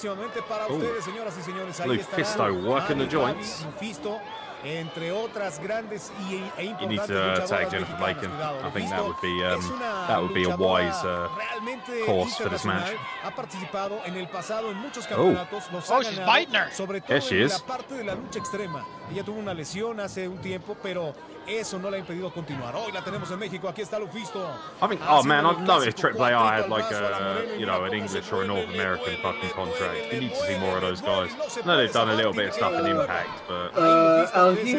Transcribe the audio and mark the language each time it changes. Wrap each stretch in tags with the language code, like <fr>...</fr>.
<en>Lufisto working the joints.</en> <es>Entre otras grandes y</es> <en>you need to tag Jennifer Bacon. I think that would be a wise course for this match.</en> <es>Ha participado en el pasado en muchos campeonatos.</es> <en>Oh, she's biting her.</en> <es>Sobre todo en la parte de la lucha extrema. Ella tuvo una lesión hace un tiempo, pero eso no le ha impedido continuar. Hoy la tenemos en México. Aquí está Lufisto.</es> <en>I think, oh man, I'd love if AAA had like a, you know, an English or a North American fucking contract. You need to see more of those guys. I know they've done a little bit of stuff in Impact, but.</en>